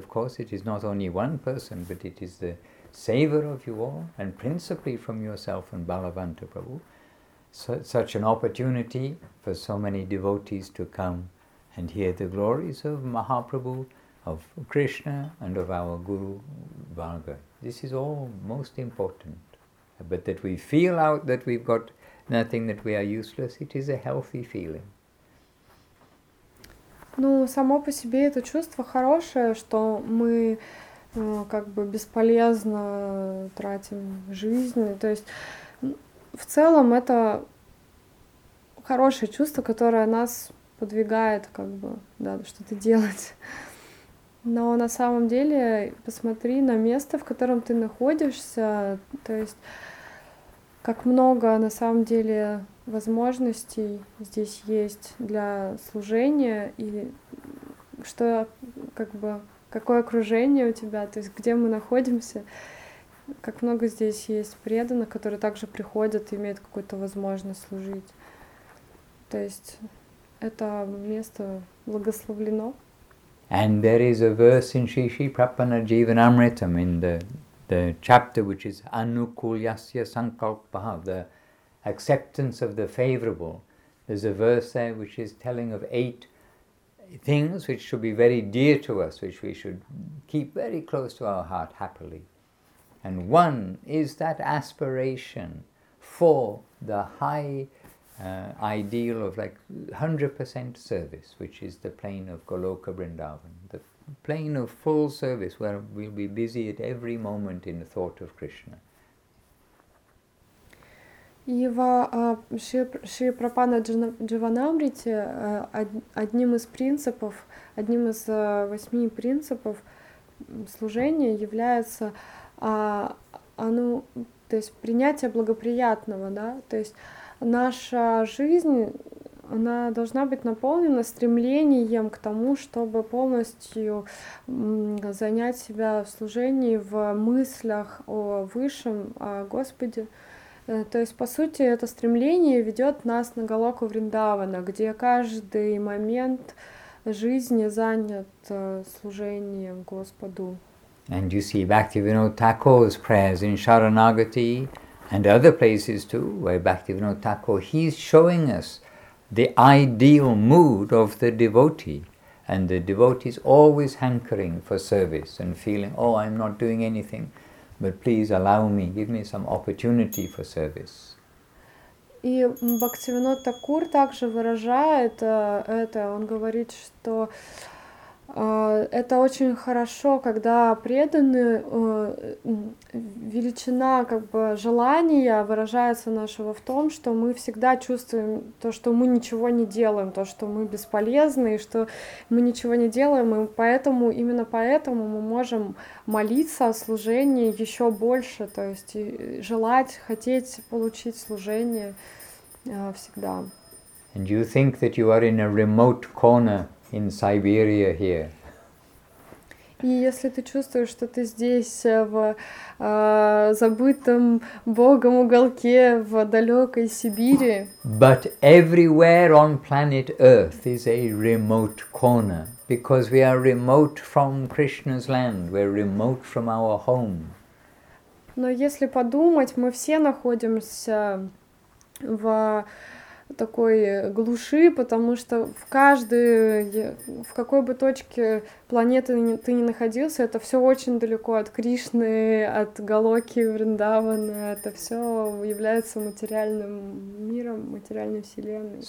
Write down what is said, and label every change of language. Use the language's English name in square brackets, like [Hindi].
[English] Of course, it is not only one person, but it is the savior of you all, and principally from yourself and Balavanta Prabhu, such an opportunity for so many devotees to come and hear the glories of Mahaprabhu, of Krishna, and of our Guru Bhargava. This is all most important. But that we feel out that we've got nothing, that we are useless, it is a healthy feeling. [Russian] Ну, само по себе это чувство хорошее, что мы как бы бесполезно тратим жизнь. То есть в целом это хорошее чувство, которое нас подвигает, как бы, да, что-то делать. Но на самом деле посмотри на место, в котором ты находишься, то есть как много на самом деле возможностей здесь есть для служения, и что, как бы, какое окружение у тебя, то есть где мы находимся, как много здесь есть преданных, которые также приходят и имеют какую-то возможность служить. То есть это место благословлено. [English] And there is a verse in Sri Sri Prapanna Jivanamritam in the chapter which is Anukulyasya Sankalpaha, the acceptance of the favorable. There's a verse there which is telling of 8 things which should be very dear to us, which we should keep very close to our heart happily. And one is that aspiration for the high ideal of like 100% service, which is the plane of Goloka Vrindavan, the plane of full service where we'll be busy at every moment in the thought of Krishna. [Russian] И в Шри Прапанна Дживанамрите одним из принципов, одним из 8 принципов служения является то есть принятие благоприятного, да, то есть наша жизнь, она должна быть наполнена стремлением к тому, чтобы полностью занять себя в служении, в мыслях о Высшем, о Господе. То есть, по сути, это стремление ведет нас на Голоку Вриндавана, где каждый момент жизни занят служением Господу. [English] And you see Bhaktivinoda Thakur's prayers in Sharanagati and other places too, where Bhaktivinoda Thakur, he's showing us the ideal mood of the devotee. And the devotee is always hankering for service and feeling, oh, I'm not doing anything, but please allow me, give me some opportunity for service. [Russian] И Бхактивинода Такур также выражает это, он говорит, что это очень хорошо, когда преданные, величина как бы желания выражается нашего в том, что мы всегда чувствуем то, что мы ничего не делаем, то, что мы бесполезны, и что мы ничего не делаем, и поэтому, именно поэтому мы можем молиться о служении еще больше, то есть желать, хотеть получить служение всегда. [English] And you think that you are in a remote corner in Siberia here. [Russian] И если ты чувствуешь, что ты здесь в забытом Богом уголке в далекой Сибири. [English] But everywhere on planet Earth is a remote corner, because we are remote from Krishna's land, we're remote from our home. [Russian] Но если подумать, мы все находимся в такой глуши, потому что в каждой, в какой бы точке планеты ты ни находился, это все очень далеко от Кришны, от Голоки Вриндавана, это все является материальным миром, материальной вселенной.